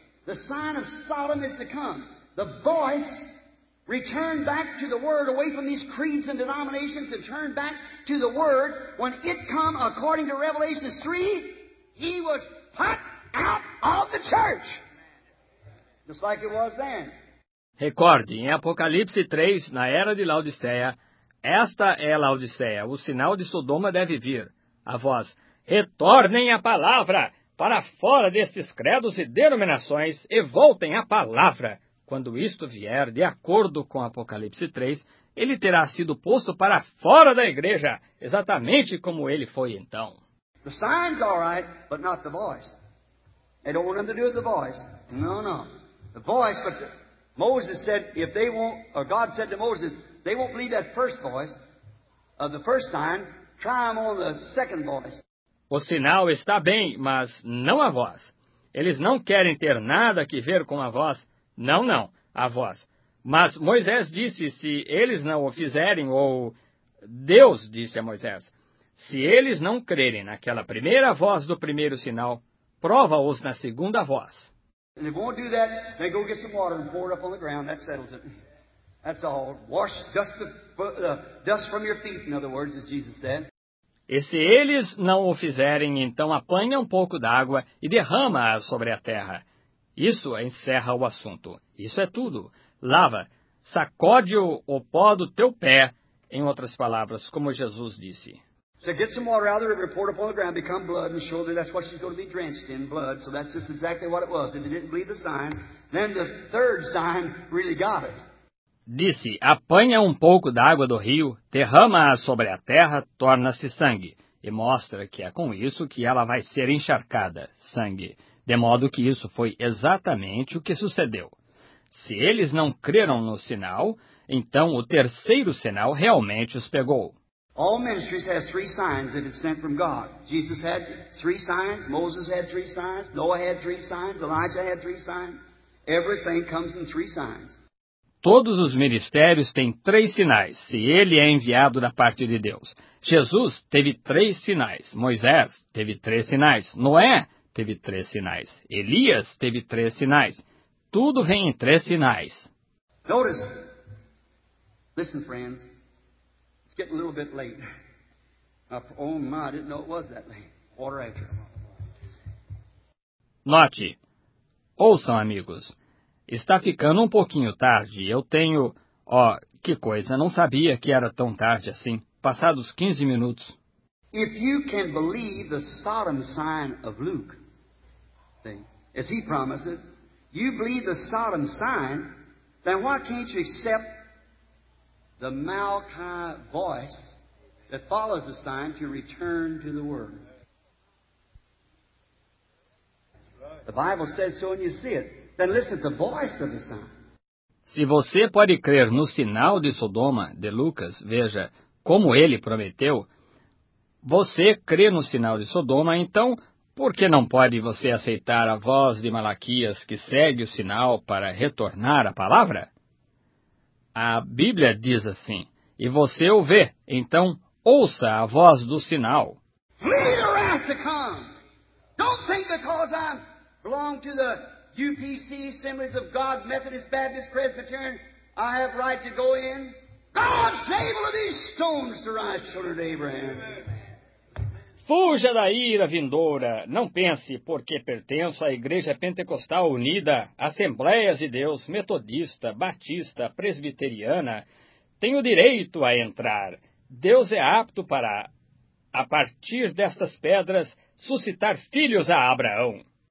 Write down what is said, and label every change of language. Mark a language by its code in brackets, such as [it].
[en] The sign of Sodom is to come. The voice returned back to the word, away from these creeds and denominations, and turned back to the word. When it come, according to Revelation 3, he was put out of the church. Just like it was then. [pt] Recorde, em Apocalipse 3, na era de Laodiceia, esta é Laodiceia, o sinal de Sodoma deve vir. A voz, retornem a palavra para fora destes credos e denominações e voltem a palavra. quando isto vier, de acordo com Apocalipse 3, ele terá sido posto para fora da igreja, exatamente como ele foi então. [en] The sign's all right, but not the voice. They don't want nothing to do with the voice. No, no. The voice, but Moses said, if they won't, or God said to Moses, they won't believe that first voice of the first sign, try them on the second voice. [pt] O sinal está bem, mas não a voz. Eles não querem ter nada que ver com a voz. Não, não, a voz. Mas Moisés disse, se eles não o fizerem, ou Deus disse a Moisés, se eles não crerem naquela primeira voz do primeiro sinal, prova-os na segunda voz. [en] And if they won't do that, they go get some water and pour it up on the ground. That settles it. That's all. Wash dust, dust from your feet, in other words, as Jesus said. [pt] E se eles não o fizerem, então apanha um pouco d'água e derrama-a sobre a terra. Isso encerra o assunto. Isso é tudo. Lava, sacode o pó do teu pé, em outras palavras, como Jesus disse. [en] So get some water out of the river, pour it upon the ground, become blood, and surely that's what she's going to be drenched in, blood. So that's just exactly what it was. If they didn't believe the sign, then the third sign really got it. [pt] Disse, apanha um pouco d'água do rio, derrama-a sobre a terra, torna-se sangue, e mostra que é com isso que ela vai ser encharcada, sangue. De modo que isso foi exatamente o que sucedeu. Se eles não creram no sinal, então o terceiro sinal realmente os pegou. [en] All ministries have three signs that it's sent from God. Jesus had three signs, Moses had three signs, Noah had three signs, Elijah had three signs. Everything comes in three signs. [pt] Todos os ministérios têm três sinais, se ele é enviado da parte de Deus. Jesus teve três sinais, Moisés teve três sinais, Noé teve três sinais, Elias teve três sinais. Tudo vem em três sinais. [en] Notice, listen, friends, it's getting a little bit late. Oh my, I didn't know it was that late. Water after. [pt] Note, ouçam, amigos. Está ficando um pouquinho tarde. Eu tenho... Ó, oh, que coisa. Não sabia que era tão tarde assim. Passados 15 minutos. [en] If you can believe the Sodom sign of Luke, as he promises, you believe the Sodom sign, then why can't you accept the Malachi voice that follows the sign to return to the Word? The Bible says so and you see it. Then listen to the voice of the sign. [pt] Se você pode crer no sinal de Sodoma, de Lucas, veja, como ele prometeu, você crê no sinal de Sodoma, então, por que não pode você aceitar a voz de Malaquias que segue o sinal para retornar à palavra? A Bíblia diz assim, e você o vê, então, ouça a voz do sinal. [en] Flee the wrath to come. Don't think because I belong to the UPC, Assemblies of God, Methodist, Baptist, Presbyterian, I have right to go in. God's able of these stones to rise, children of Abraham. [pt] Fuja da ira vindoura. Não pense, porque pertenço à Igreja Pentecostal Unida, Assembleias de Deus, Metodista, Batista, Presbiteriana, tenho direito a entrar. Deus é apto para, a partir destas pedras, suscitar filhos a Abraão.